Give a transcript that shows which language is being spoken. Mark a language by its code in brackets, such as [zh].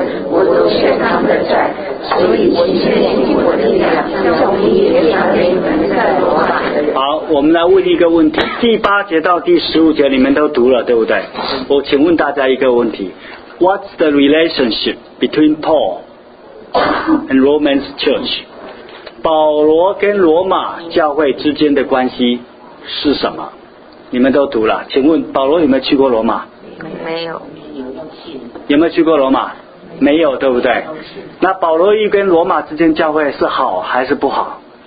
[zh] 我都欠他们的债，所以我现在尽我的力量，叫你也加给你们在罗马的人。好，我们来问一个问题，第八节到第十五节你们都读了对不对？我请问大家一个问题， [en] What's the relationship between Paul and Romans church？ [zh] 保罗跟罗马教会之间的关系是什么？你们都读了，请问保罗有没有去过罗马？没有。有没有去过罗马？没有，对不对？那保罗又跟罗马之间教会是好还是不好？